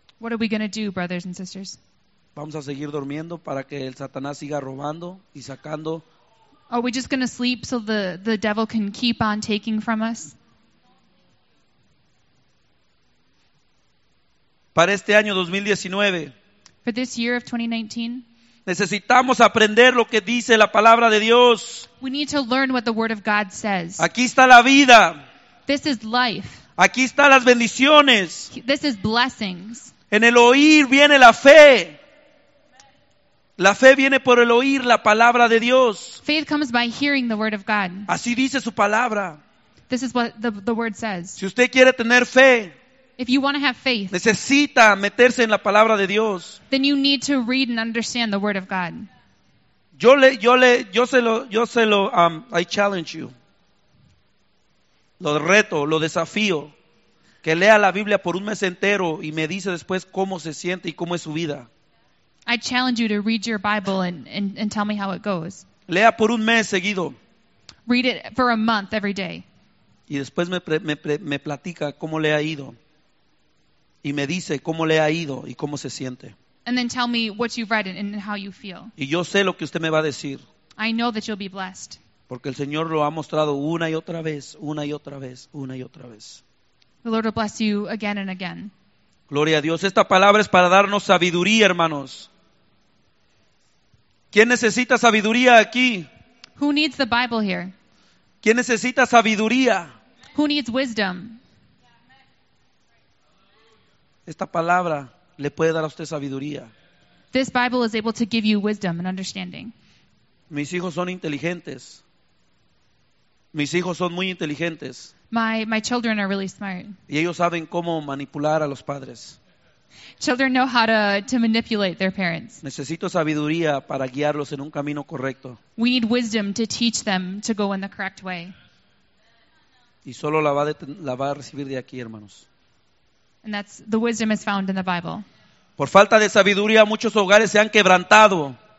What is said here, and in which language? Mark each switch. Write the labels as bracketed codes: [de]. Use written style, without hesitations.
[en] What are we going to do, brothers and sisters? [es] ¿Vamos a seguir durmiendo para que el Satanás siga robando y sacando? [en] Are we just going to sleep so the devil can keep on taking from us? [es] Para este año 2019. [en] For this year of 2019. [es] Necesitamos aprender lo que dice la palabra de Dios. [en] We need to learn what the word of God says. [es] Aquí está la vida. [en] This is life. [es] Aquí están las bendiciones. [en] This is blessings. [es] En el oír viene la fe. La fe viene por el oír la palabra de Dios. [en] Faith comes by hearing the word of God. [es] Así dice su palabra. [en] This is what the word says. [es] Si usted quiere tener fe, [en] if you want to have faith, [es] necesita meterse en la palabra de Dios. [en] Then you need to read and understand the word of God. I challenge you. [es] Lo reto, lo desafío. Que lea la Biblia por un mes entero y me dice después cómo se siente y cómo es su vida. [en] I challenge you to read your Bible and tell me how it goes. [es] Lea por un mes seguido. [en] Read it for a month every day. [es] Y después me platica cómo le ha ido. Y me dice cómo le ha ido y cómo se siente. [en] And then tell me what you've read and how you feel. [es] Y yo sé lo que usted me va a decir. [en] I know that you'll be blessed. [es] Porque el Señor lo ha mostrado una y otra vez, una y otra vez, una y otra vez. [en] The Lord will bless you again and again. [es] Gloria a Dios. Esta palabra es para darnos sabiduría, hermanos. ¿Quién necesita sabiduría aquí? [en] Who needs the Bible here? [es] ¿Quién necesita sabiduría? [en] Who needs wisdom? [es] Esta palabra le puede dar a usted sabiduría. [en] This Bible is able to give you wisdom and understanding. [es] Mis hijos son inteligentes. Mis hijos son muy inteligentes. [en] My children are really smart. [es] Y ellos saben cómo manipular a los padres. [en] Children know how to manipulate their parents. [es] Necesito sabiduría para guiarlos en un camino correcto. [en] We need wisdom to teach them to go in the correct way. [es] Y solo la va a recibir de aquí, hermanos. [en] And that's the wisdom is found in the Bible. [es] Por falta de sabiduría, muchos hogares se han quebrantado.